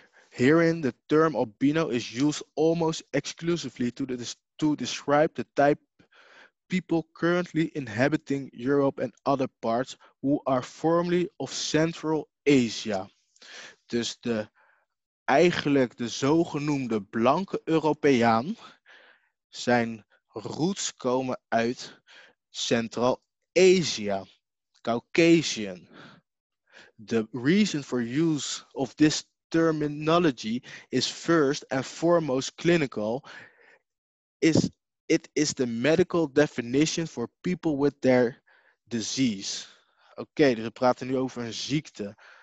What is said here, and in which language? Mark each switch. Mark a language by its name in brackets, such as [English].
[English] Herein, the term albino is used almost exclusively to describe the type people currently inhabiting Europe and other parts who are formerly of Central Asia. [Dutch] Dus eigenlijk de zogenoemde blanke Europeaan, zijn roots komen uit Centraal Azië, Caucasian. [English] The reason for use of this terminology is first and foremost clinical. It is the medical definition for people with their disease. [Dutch] Okay, dus we praten nu over een ziekte.